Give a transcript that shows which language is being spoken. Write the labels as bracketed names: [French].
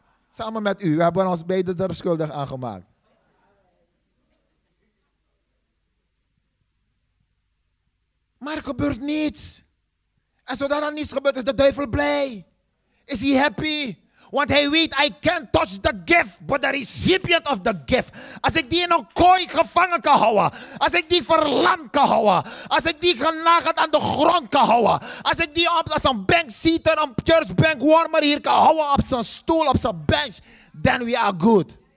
[Dutch] Samen met u, we hebben ons beide er schuldig aan gemaakt. Maar er gebeurt niets. En zodra er niets gebeurt, is de duivel blij. Is hij happy? Want hij weet, [English] I can't touch the gift, [Dutch] but the recipient of the gift. Als ik die in een kooi gevangen kan houden. Als ik die verlamd kan houden. Als ik die genageld aan de grond kan houden. Als ik die als een bankseater, een church bankwarmer hier kan houden op zijn stoel, op zijn bench. [English] Then we are good.